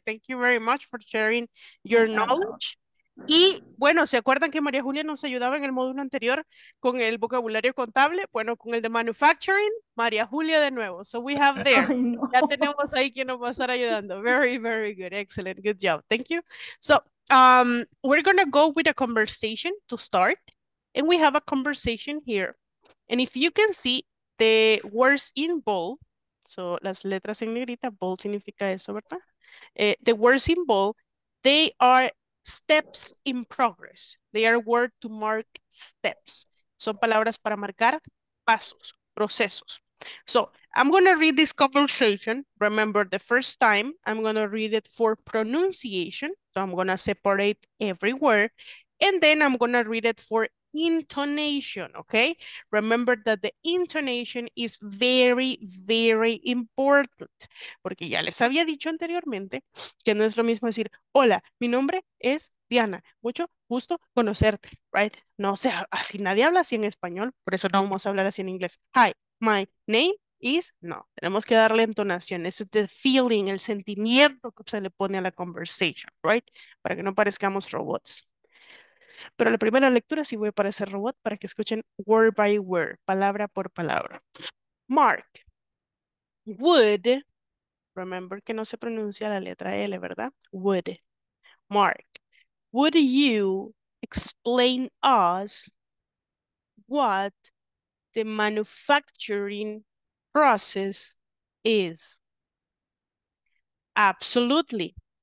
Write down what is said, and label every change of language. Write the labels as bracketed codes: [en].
[en] Thank you very much for sharing your knowledge. [es] Y bueno, ¿se acuerdan que María Julia nos ayudaba en el módulo anterior con el vocabulario contable? Bueno, con el de manufacturing, María Julia de nuevo. [en] So we have there. [es] Ay, no. Ya tenemos ahí quien nos va a estar ayudando. [en] Very, very good. Excellent. Good job. Thank you. So we're going to go with a conversation to start. And we have a conversation here. And if you can see the words in bold, so [es] las letras en negrita, bold significa eso, ¿verdad? [en] The words in bold, they are steps in progress. They are word to mark steps. [es] Son palabras para marcar pasos, procesos. [en] So I'm going to read this conversation. Remember, the first time I'm going to read it for pronunciation. So I'm going to separate every word. And then I'm going to read it for intonation. Okay. Remember that the intonation is very, very important. [es] Porque ya les había dicho anteriormente que no es lo mismo decir, hola, mi nombre es Diana, mucho gusto conocerte, right? No, o sea, así nadie habla así en español, por eso no vamos a hablar así en inglés. [en] Hi, my name is, [es] no, tenemos que darle entonación, es [en] the feeling, [es] el sentimiento que se le pone a la conversation, right? Para que no parezcamos robots. Pero la primera lectura sí voy a parecer robot para que escuchen [en] word by word, [es] palabra por palabra. [en] Mark, would, [es] Remember que no se pronuncia la letra L, ¿verdad? [en] Would. Mark, would you explain us what the manufacturing process is? Absolutely.